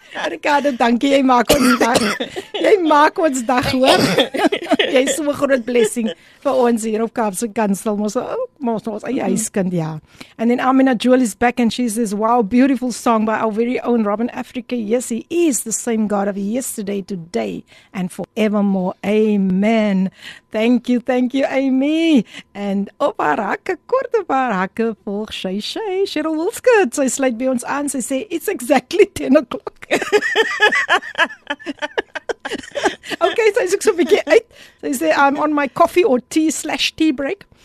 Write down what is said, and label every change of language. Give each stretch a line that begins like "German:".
Afrikaans: Ricardo, dankie, jy maak ons dag. Jy maak ons dag, hoor. Jy is so'n groot blessing vir ons hier op Kaapse Kansel. Ons eie huiskind, ja.
English: And then Amina Jewel is back and she says, wow, beautiful song by our very own Robin Africa. Yes, he is the same God of yesterday, today, and forevermore. Amen. Thank you, Amy.
Afrikaans: And op haar hakke, kort op haar hakke, volg Shai, Cheryl Wolfskut. Sy sluit by ons aan, sy sê,
English: it's exactly 10 o'clock.
Afrikaans: Okay, sy is ook so'n bykie uit. Sy sê,
English: I'm on my coffee or tea/tea break.